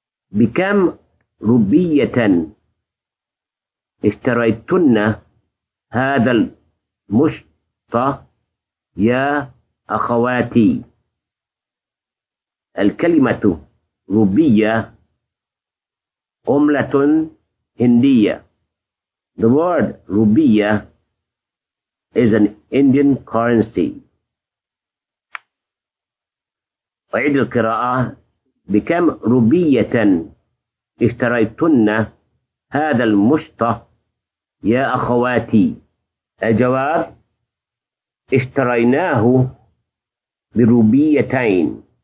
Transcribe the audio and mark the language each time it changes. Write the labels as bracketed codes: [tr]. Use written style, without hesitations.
[ar] بكم روبية اشتريتن هذا المشط يا أخواتي؟ الكلمة روبية عملة هندية. [en] The word روبية is an Indian currency. [ar] أعيد القراءة. بكم روبية اشتريتن هذا المشط يا أخواتي؟ الجواب اشتريناه بروبيتين.